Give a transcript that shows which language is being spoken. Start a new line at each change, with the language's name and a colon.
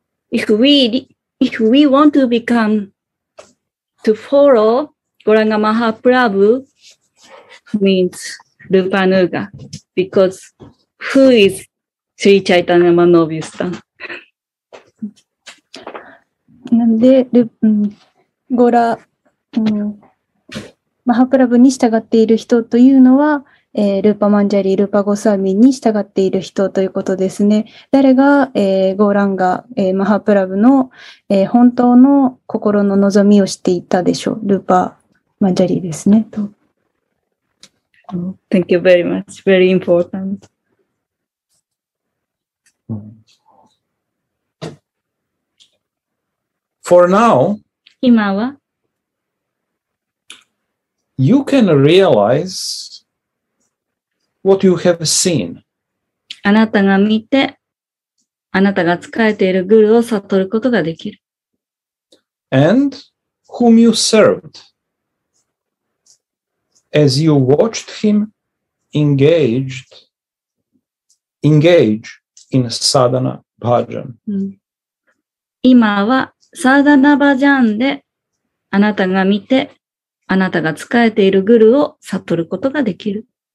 English: If we want to become, to follow Gauranga Mahaprabhu means Rupa Nuga, because who is Sri Chaitanya Mahaprabhu?
Japanese: なんで、ゴラ、マハプラブに従っている人というのは、ルーパマンジャリ、ルーパゴサミに従っている人ということですね。誰が、ゴーランガ、マハプラブの、本当の心の望みをしていたでしょう。ルーパマンジャリですね。と。
English: Thank you very much. Very important. For now,
Japanese: 今は
English: You can realize. What you have seen.
Japanese: あなたが見て、あなたが仕えているグルを悟ることができる。
English: And whom you served as you watched him engage in sadhana bhajan.
Japanese: 今はサダナバジャンであなたが見て、あなたが仕えているグルを悟ることができる。